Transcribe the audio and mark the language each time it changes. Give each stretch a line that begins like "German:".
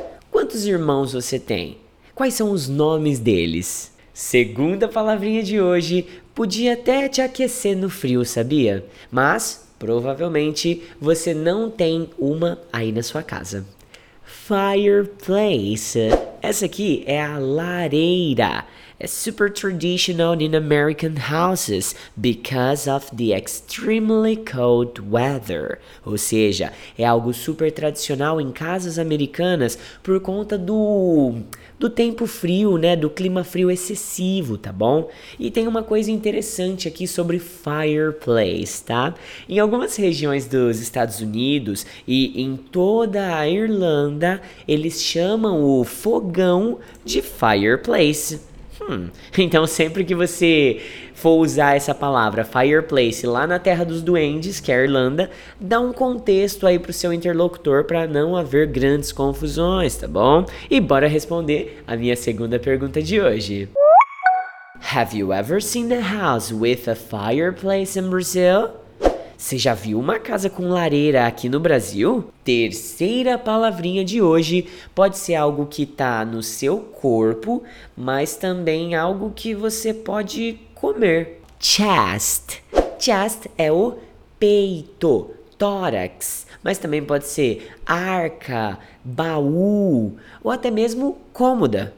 Portuguese: Quantos irmãos você tem? Quais são os nomes deles? Segunda palavrinha de hoje, podia até te aquecer no frio, sabia? Mas, provavelmente, você não tem uma aí na sua casa. Fireplace. Essa aqui é a lareira.
English: is super traditional in American houses because of the extremely cold weather.
Portuguese: Ou seja, é algo super tradicional em casas americanas por conta do tempo frio, né? Do clima frio excessivo, tá bom? E tem uma coisa interessante aqui sobre fireplace, tá? Em algumas regiões dos Estados Unidos e em toda a Irlanda, eles chamam o fogão de fireplace. Então, sempre que você for usar essa palavra fireplace lá na terra dos duendes, que é a Irlanda, dá um contexto aí pro seu interlocutor para não haver grandes confusões, tá bom? E bora responder a minha segunda pergunta de hoje.
English: Have you ever seen a house with a fireplace in Brazil?
Portuguese: Você já viu uma casa com lareira aqui no Brasil? Terceira palavrinha de hoje pode ser algo que tá no seu corpo, mas também algo que você pode comer. Chest. Chest é o peito, tórax, mas também pode ser arca, baú ou até mesmo cômoda.